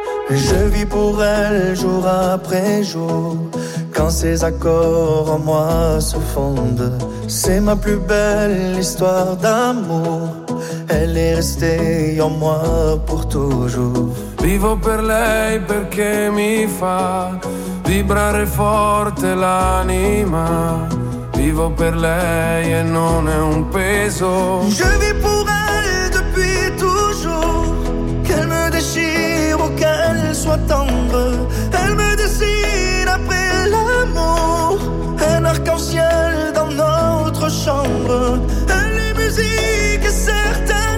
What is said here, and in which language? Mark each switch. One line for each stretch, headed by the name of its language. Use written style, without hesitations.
French: Je vis pour elle jour après jour. Quand ses accords en moi se fondent, c'est ma plus belle histoire d'amour. Elle est restée en moi pour toujours.
Italian: Vivo per lei perché mi fa vibrare forte l'anima. Vivo per lei e non è un peso.
French: Je vis pour elle depuis toujours. Qu'elle me déchire ou qu'elle soit tendre, elle me dessine après l'amour. Un arc-en-ciel dans notre chambre. Elle est musique et certaine.